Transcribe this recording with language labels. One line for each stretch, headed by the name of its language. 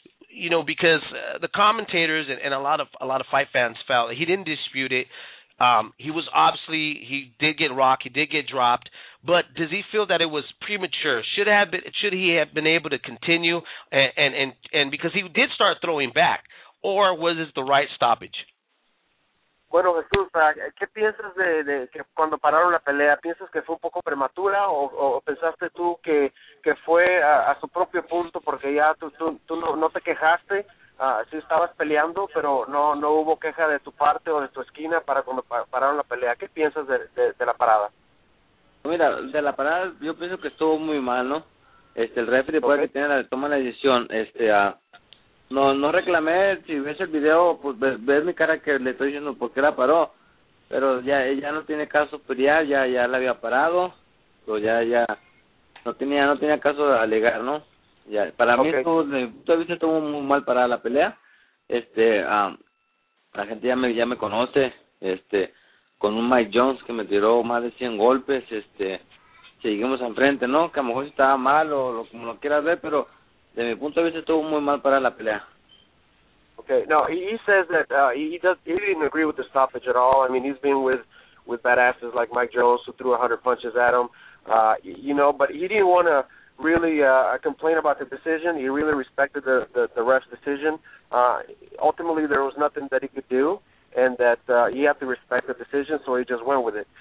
English: You know, because the commentators and a lot of fight fans felt he didn't dispute it. He was obviously he did get rocked, he did get dropped. But does he feel that it was premature? Should he have been able to continue? And because he did start throwing back, or was it the right stoppage?
Spanish: Bueno, Jesús, ¿qué piensas de que cuando pararon la pelea? ¿Piensas que fue un poco prematura o pensaste tú que fue a su propio punto porque ya tú no te quejaste? Sí estabas peleando, pero no hubo queja de tu parte o de tu esquina para cuando pararon la pelea. ¿Qué piensas de la parada? Mira, de la parada yo pienso que estuvo muy mal, ¿no? El referee puede que toma la decisión, No reclamé, si ves el video, pues ves mi cara que le estoy diciendo por qué la paró, pero ya no tiene caso pelear, ya la había parado, pues ya no tenía caso de alegar, ¿no? Ya, para mí, desde mi punto de vista, estuvo muy mal parada la pelea. La gente ya me conoce, con un Mike Jones que me tiró más de 100 golpes, seguimos enfrente, ¿no? Que a lo mejor estaba mal o como lo quieras ver, pero de mi punto de vista, estuvo muy mal para la pelea.
English: Okay, no, he says that he didn't agree with the stoppage at all. I mean, he's been with badasses like Mike Jones, who threw 100 punches at him, you know, but he didn't want to really complain about the decision. He really respected the ref's decision. Ultimately, there was nothing that he could do, and that he had to respect the decision, so he just went with it.